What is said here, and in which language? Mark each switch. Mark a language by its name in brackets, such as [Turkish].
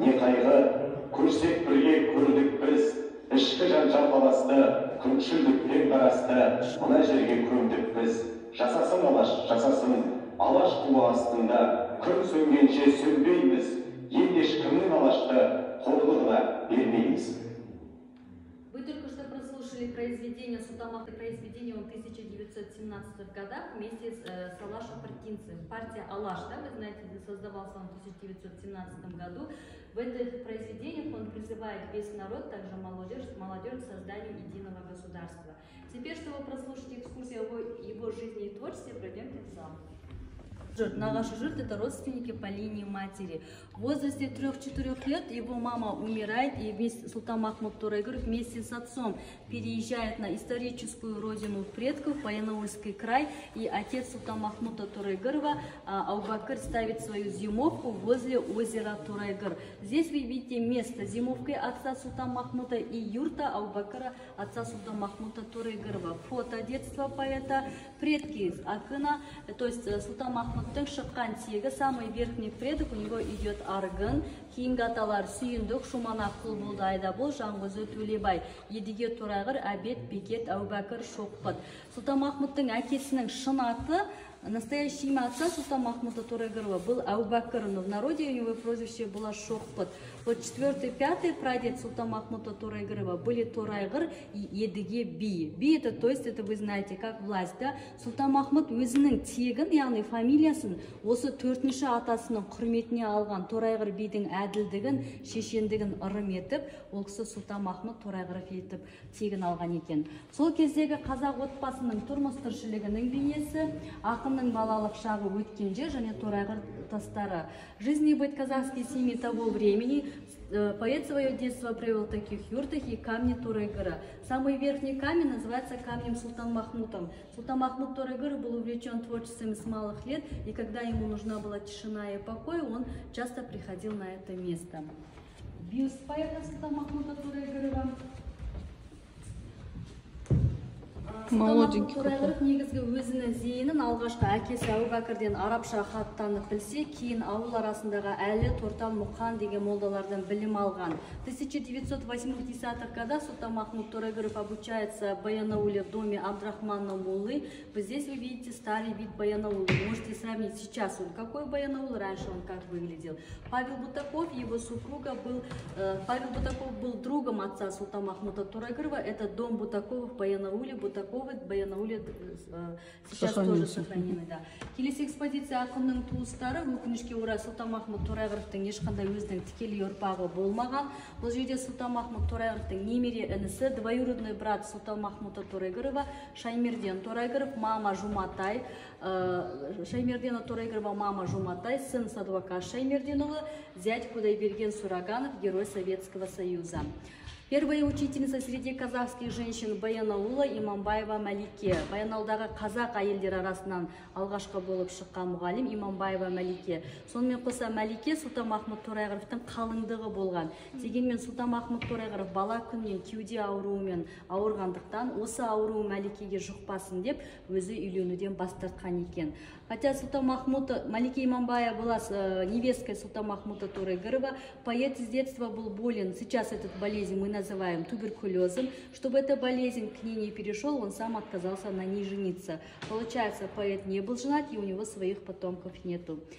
[Kazakh] Не қайғы, көрсек бірге көрдік біз, ішкі жан жарбаласты, күншілдіктен қарасты, мына жерге көрдік біз, жасасын алаш, жасасын. Алаш туы астында күн сөнгенше сөнбейміз, ел ешкімнің алашты қорлығына бермейміз. [Russian] Вы только что прослушали произведение Сутамахты, произведение 1917 годах вместе с Алашем Партинцем. Партия Алаш, да, вы знаете, создавался он в 1917 году. В этих произведениях он призывает весь народ, также молодежь к созданию единого государства. Теперь, чтобы прослушать экскурсию о его жизни и творчестве, пройдемте в зал. Нагаши жирт – это родственники по линии матери. В возрасте 3-4 лет его мама умирает, и Султан Махмуд Торайгыров вместе с отцом переезжает на историческую родину предков, Баянауильский край, и отец Султан Махмуда Торайгырова, Аубакыр, ставит свою зимовку возле озера Торайгыр. Здесь вы видите место зимовки отца Султан Махмуда и юрта Аубакыра, отца Султан Махмуда Торайгырова. Фото детства поэта, предки из Акына, то есть Султан Махмуд [Kazakh] Махмуттың шыққан тегі [Russian] самый верхний предок, у него идет Аргын. [Kazakh] Кейінгі аталар Сүйіндік, Шуманақ, Құлболды, Айдабол, Жанғызы, Төлебай, Едіге, Торайғыр, Әбет, Бекет, Әубәкір, Шоқпыт. Сұлтан Махмуттың әкесінің шын аты, [Russian] настоящий имя отца Сұлтан Махмута Торайғырова был Әубәкір, но в народе у него прозвище было Шоқпыт. Вот четвертый, пятый прадед Сұлтан Махмута Торайғырова были Торайғыр и Едіге Би. Би это, то есть, это вы знаете, как власть, да? [Kazakh] Сұлтан Махмут өзінің тегін, яғни фамилиясын, осы төртінші атасының құрметіне алған Торайғыр бидің әділдігін, шешендігін ырым етіп, ол кісі Сұлтан Махмут Торайғыров етіп тегін алған екен. Сол кездегі қазақ отбасының тұрмыс-тіршілігінің бейнесі, ақынның балалық шағы өткенде және Торайғыр тастары. [Russian] Жизни быть казахской семьи того времени, поэт свое детство провел в таких юртах и камни Торайгыра. Самый верхний камень называется камнем Сұлтан Махмутом. Сұлтан Махмут Торайгыр был увлечен творчеством с малых лет, и когда ему нужна была тишина и покой, он часто приходил на это место. Бюст поэта Сұлтан Махмута Торайгырова. Молоденький какой. [Kazakh] Торайғыров негізгі өзінің зейінін алғашқы әкесі Әубәкірден арабша хаттанып білсе, кейін ауыл арасындағы әлі Тортан Мұқан деген молдалардан білім алған. [Russian] 1980-х года Сұлтан Махмут Торайғыров обучается Баянауле в доме Абдрахмана Моллы. Здесь вы видите старый вид Баянаулы. Можете сравнить сейчас он какой Баянаул, раньше он как выглядел. Павел Бутаков, его супруга был, Павел Бутаков был другом отца Сұлтан Махмута Торайғырова. Это дом Бутаков в Баянауле. Бутаковы Баянауле сейчас тоже сохранены, да. [Kazakh] Келесі экспозиция ақынның туыстары. Өкінішке орай Сұлтан Махмут Торайғыровтың ешқандай өзінің тікелей ұрпағы болмаған. Бұл жерде Сұлтан Махмут Торайғыровтың немере інісі, [Russian] двоюродный брат Сұлтан Махмута Торайғырова, [Kazakh] Шаймерден Торайғыров, мама Жұматай, Шаймердена Торайғырова, мама Жұматай, сын Садуака Шаймерденұлы, зять Құдайберген Сураганов, [Russian] герой Советского Союза. Первая учительница среди казахских женщин Баянаула Иманбаева Малике. [Kazakh] Баянаулдағы қазақ әйелдер арасынан алғашқы болып шыққан мұғалім Иманбаева Малике. Сонымен қоса Малике Сұлтан Махмут Торайғыровтың қалыңдығы болған. Дегенмен Сұлтан Махмут Торайғыров бала күннен кеуде ауруымен ауырғандықтан осы ауру Малике-ге жұқпасын деп өзі үйленуден бас тартқан екен. [Russian] Хотя Сұлтан Махмут, Малике Иманбаева была невесткой Сұлтан Махмута Торайғырова, поэт с детства был болен, сейчас этот болезнь мы называем туберкулезом. Чтобы эта болезнь к ней не перешел, он сам отказался на ней жениться. Получается, поэт не был женат, и у него своих потомков нету.